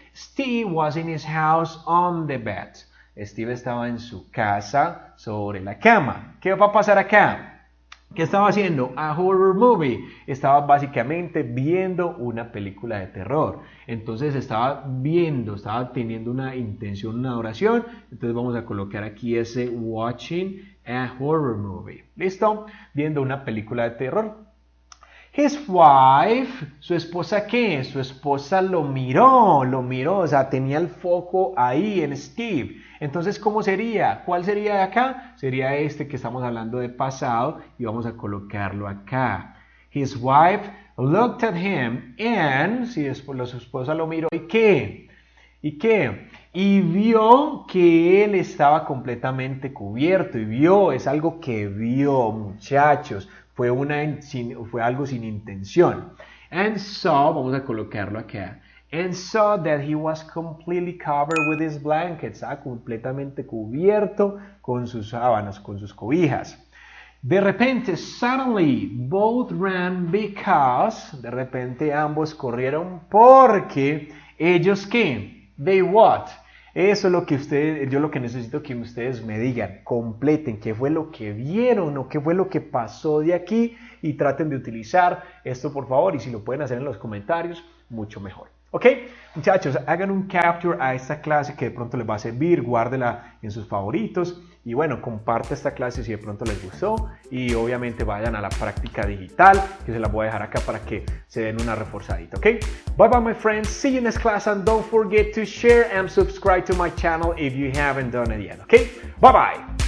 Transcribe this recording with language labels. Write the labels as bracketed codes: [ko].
[en] Steve was in his house on the bed. [es] Steve estaba en su casa sobre la cama. ¿Qué va a pasar acá? ¿Qué estaba haciendo? [en] A horror movie. [es] Estaba básicamente viendo una película de terror. Entonces estaba viendo, estaba teniendo una intención, una adoración. Entonces vamos a colocar aquí ese [en] watching a horror movie. [es] ¿Listo? Viendo una película de terror. [en] His wife, [es] ¿su esposa qué? Su esposa lo miró. O sea, tenía el foco ahí en Steve. Entonces, ¿cómo sería? ¿Cuál sería de acá? Sería este que estamos hablando de pasado y vamos a colocarlo acá. [en] His wife looked at him and, [es] si después su esposa lo miró, ¿y qué? Y vio que él estaba completamente cubierto y vio, es algo que vio, muchachos, fue algo sin intención. [en] And so, [es] vamos a colocarlo acá. [en] And saw that he was completely covered with his blankets. [es] Estaba completamente cubierto con sus sábanas, con sus cobijas. De repente, [en] suddenly, both ran because... [es] De repente, ambos corrieron porque... ¿Ellos qué? [en] They what? [es] Eso es lo que necesito que ustedes me digan. Completen qué fue lo que vieron o qué fue lo que pasó de aquí. Y traten de utilizar esto, por favor. Y si lo pueden hacer en los comentarios, mucho mejor. ¿Ok? Muchachos, hagan un capture a esta clase que de pronto les va a servir, guárdela en sus favoritos y bueno, comparte esta clase si de pronto les gustó y obviamente vayan a la práctica digital que se la voy a dejar acá para que se den una reforzadita, ¿ok? [en] Bye bye my friends, see you next class and don't forget to share and subscribe to my channel if you haven't done it yet, ¿ok? Bye bye!